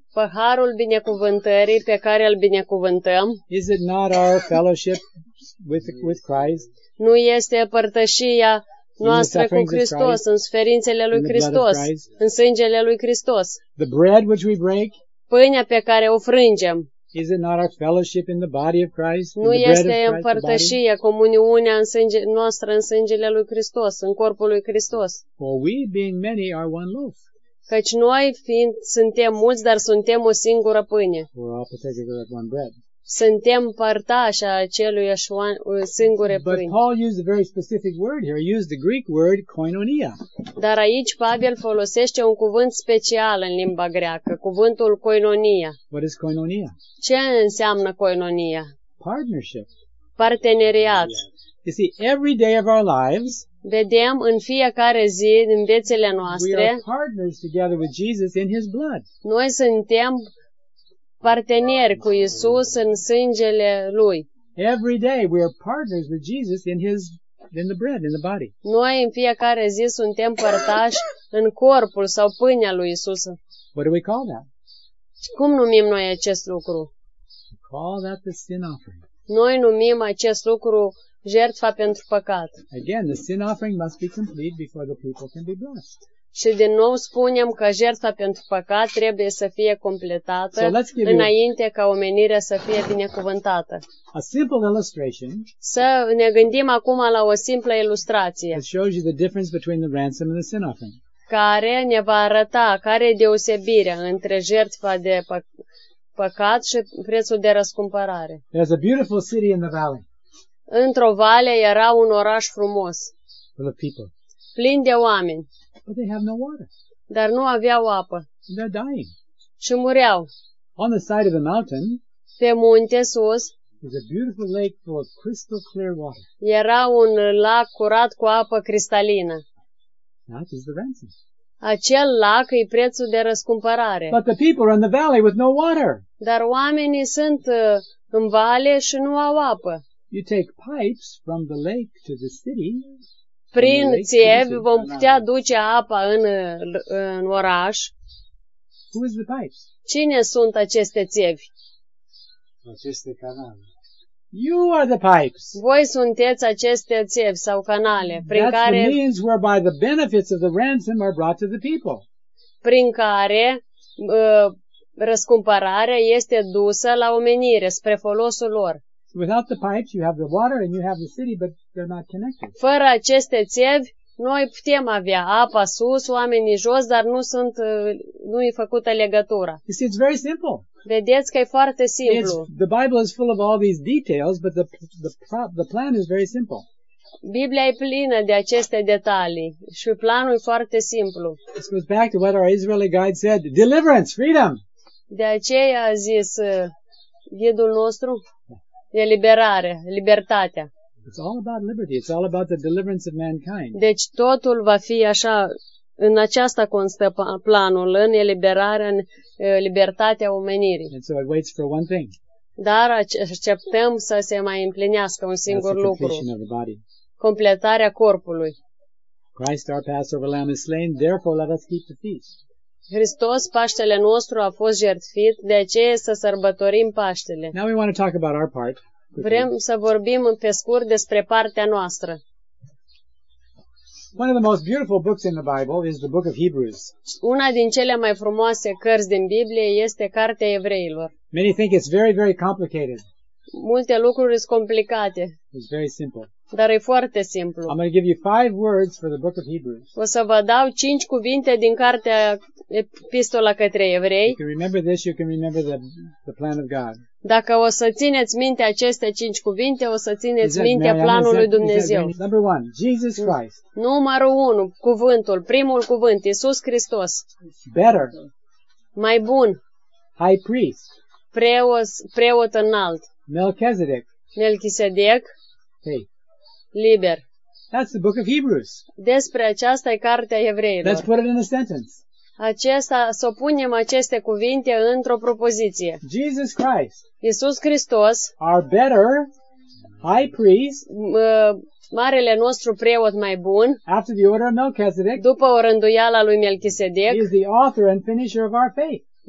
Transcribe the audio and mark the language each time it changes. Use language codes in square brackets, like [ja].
[ro] paharul binecuvântării pe care îl binecuvântăm, [en] is it not our fellowship with Christ? [ro] Nu este părtășia noastră cu Hristos, în suferințele lui Hristos, în sângele lui Hristos? [en] The bread which we break, [ro] pâinea pe care o frângem, [en] is it not our fellowship in the body of Christ? [ro] Nu este împărtășia, comuniunea în sânge, noastră în sângele lui Hristos, în corpul lui Hristos? [en] For we being many are one loaf. [ro] Căci noi fiind, suntem mulți, dar suntem o singură pâine. [en] We're all partaking of one bread. [ro] Suntem părtași a acelui singure pâine. [en] But Paul used a very specific word here. He used the Greek word koinonia. [ro] Dar aici Pavel folosește un cuvânt special în limba greacă, cuvântul koinonia. [en] What is koinonia? [ro] Ce înseamnă koinonia? [en] Partnership. [ro] Parteneriat. [en] You see, every day of our lives, [ro] vedem în fiecare zi din viețile noastre, [en] we are partners together with Jesus in his blood. [ro] Noi suntem parteneri cu Iisus în sângele lui. [en] Every day we are partners with Jesus in his, in the bread, in the body. [ro] Noi în fiecare zi suntem părtași în corpul sau pâinea lui Iisus. [en] What do we call that? [ro] Cum numim noi acest lucru? [en] We call that the sin offering. [ro] Noi numim acest lucru jertfa pentru păcat. [en] Again, the sin offering must be complete before the people can be blessed. [ro] Și din nou spunem că jertfa pentru păcat trebuie să fie completată înainte ca omenirea să fie binecuvântată. [en] A simple illustration. [ro] Să ne gândim acum la o simplă ilustrație. [en] It shows you the difference between the ransom and the sin offering. [ro] Care ne va arăta care e deosebirea între jertfa de păcat și prețul de răscumpărare. [en] There's a beautiful city in the valley. [ro] Într-o vale era un oraș frumos, [en] full of people, [ro] plin de oameni, [en] but they have no water. [ro] Dar nu aveau apă. [en] And they're dying. [ro] Și mureau. [en] On the side of the mountain, [ro] pe munte sus, [en] is a beautiful lake full of crystal clear water. [ro] Era un lac curat cu apă cristalină. [en] That is the ransom. [ro] Acel lac e prețul de răscumpărare. [en] But the people are in the valley with no water. [ro] Dar oamenii sunt în vale și nu au apă. [en] You take pipes from the lake to the city. [ro] Prin țevi vom putea duce apa în oraș. [en] Who is the pipes? [ro] Cine sunt aceste țevi? Aceste canale. [en] You are the pipes. [ro] Voi sunteți aceste țevi sau canale prin [en] care the means whereby the benefits of the ransom are brought to the people. [ro] Prin care răscumpărarea este dusă la omenire spre folosul lor. [en] Without the pipes, you have the water and you have the city, but they're not connected. [ro] Fără aceste țevi, noi putem avea apa sus, oamenii jos, dar nu-i făcută legătura. [en] You see, it's very simple. [ro] Vedeți că e foarte simplu. [en] It's, the Bible is full of all these details, but the plan is very simple. [ro] Biblia e plină de aceste detalii și planul e foarte simplu. [en] This goes back to what our Israeli guide said, deliverance, freedom. [ro] De aceea a zis ghidul nostru, eliberare, libertatea. [en] It's all about liberty. It's all about the deliverance of mankind. [ro] Deci totul va fi așa, în aceasta constă planul, în eliberarea, în libertatea omenirii. [en] And so it waits for one thing. [ro] Dar așteptăm să se mai împlinească un singur lucru. [en] That's the completion of the body. [ro] Completarea corpului. [en] Christ our Passover lamb is slain, therefore let us keep the feast. [ro] Hristos, Paștele nostru, a fost jertfit, de aceea să sărbătorim Paștele. [en] Now we want to talk about our part. [ro] Vrem să vorbim pe scurt despre partea noastră. [en] One of the most beautiful books in the Bible is the book of Hebrews. [ro] Una din cele mai frumoase cărți din Biblie este Cartea Evreilor. [en] Many think it's very, very complicated. [ro] Multe lucruri sunt complicate. [en] It's very simple. [ro] Dar e foarte simplu. [en] I'm going to give you 5 words for the book of Hebrews. [ro] O să vă dau 5 cuvinte din Cartea Epistola către Evrei. [en] If you remember this, you can remember the plan of God. [ro] Dacă o să țineți minte aceste 5 cuvinte, o să țineți minte planul lui Dumnezeu. [en] Number 1, Jesus Christ. [ro] Numărul 1, cuvântul, primul cuvânt, Iisus Hristos. [en] Better. [ro] Mai bun. [en] High priest. [ro] Preot înalt. [en] Melchizedek. [ro] Melchisedec. Hey. Liber. [en] That's the book of Hebrews. [ro] Despre aceasta e Cartea Evreilor. [en] Let's put it in a sentence. [ro] acesta, să punem aceste cuvinte într-o propoziție. [en] Jesus Christ. [ro] Iisus Hristos. [en] Our better high priest. [ro] Marele nostru preot mai bun. [en] After the order of Melchizedek. [ro] După o rânduială a lui Melchisedec. [en] Is the author and finisher of our faith.